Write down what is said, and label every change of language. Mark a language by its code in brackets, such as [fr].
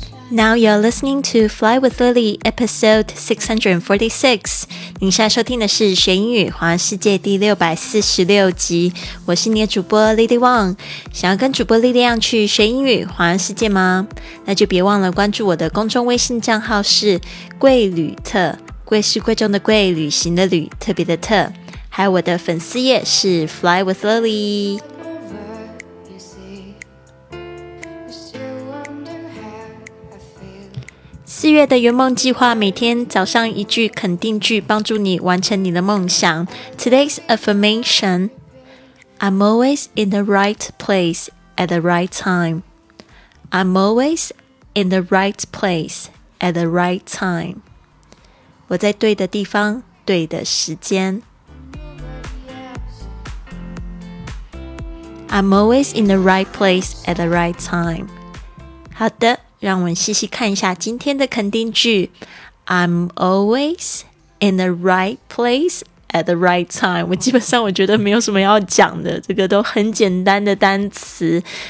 [en] Now you're listening to Fly with Lily, episode 646. [zh] 您现在收听的是学英语环游世界第646集。我是你的主播 Lily Wang。想要跟主播力量去学英语环游世界吗？那就别忘了关注我的公众微信账号是贵旅特。贵是贵重的贵，旅行的旅，特别的特。还有我的粉丝页是 Fly with Lily。四月的圆梦计划，每天早上一句肯定句，帮助你完成你的梦想。 [en] Today's affirmation: I'm always in the right place at the right time. I'm always in the right place at the right time. [zh] 我在对的地方，对的时间。 [en] I'm always in the right place at the right time. [zh] 好的。让我们细细看一下今天的肯定句。 [en] I'm always in the right place at the right time. [zh] 我基本上我觉得没有什么要讲的，这个都很简单的单词。